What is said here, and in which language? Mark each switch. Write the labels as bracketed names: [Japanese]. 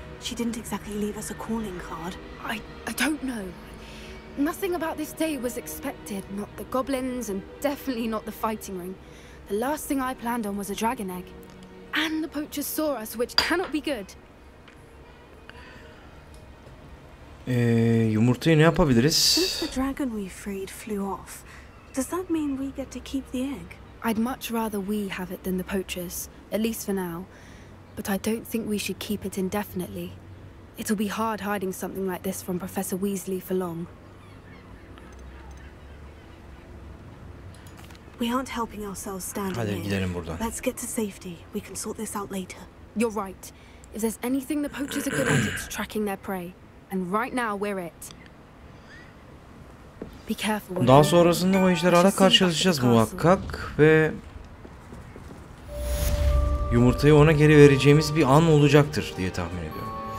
[English] She didn't exactly leave us a calling card. I don't know. Nothing about this day was expected. Not the goblins and definitely not the fighting ring. The last thing I planned on was a dragon egg. And the poachers saw us, which cannot be good. [Turkish] Yumurtayı ne yapabiliriz? [English] The dragon we freed flew off. Does that mean we get to keep the egg? I'd much rather we have it than the poachers, at least for now. But I don't think we should keep it indefinitely. It'll be hard hiding something like this from Professor Weasley for long. We aren't helping ourselves standing here. [Turkish] Hadi gidelim buradan. [English] Let's get to safety. We can sort this out later. You're right. If there's anything the poachers are good at, it's tracking their prey. And right now we're it. Be careful. [Turkish] Daha sonrasında oyuncularla karşılaşacağız muhakkak ve yumurtayı ona geri vereceğimiz bir an olacaktır diye tahmin ediyorum.